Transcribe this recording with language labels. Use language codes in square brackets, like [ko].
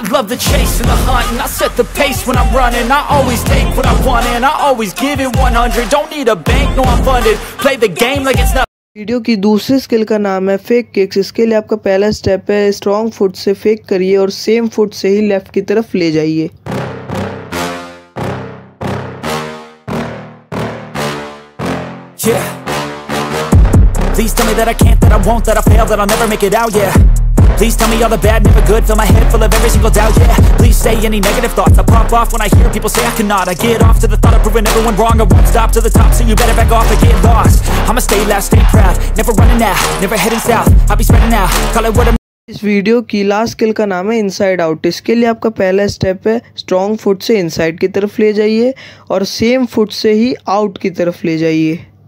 [en] The chase and the hunt, and I set the pace when I'm running. I always take what I want, and I always give it 100. Don't need a bank, no, I'm funded. Play the game like it's not. [hi] Video की दूसरी skill का नाम है fake kicks. इसके लिए आपका पहला step है, स्ट्रॉन्ग फुट से फेक करिए और सेम फुट से ही लेफ्ट की तरफ ले जाइए। [en] Please tell me that I can't, that I won't, that I fail, that I'll never make it out, yeah. Please tell me all the bad, never good. Fill my head full of every single doubt, yeah. Please say any negative thoughts. I pop off when I hear people say I cannot. I get off to the thought of proving everyone wrong. I won't stop to the top, so you better back off or get lost. I'ma stay loud, stay proud. Never running out, never heading south. I'll be spreading out, call it word of. [hi] इस video की last skill का नाम है inside out. इसके लिए आपका पहला step है, स्ट्रॉन्ग फुट से इनसाइड की तरफ ले जाइए और सेम फुट से ही आउट की तरफ ले जाइए।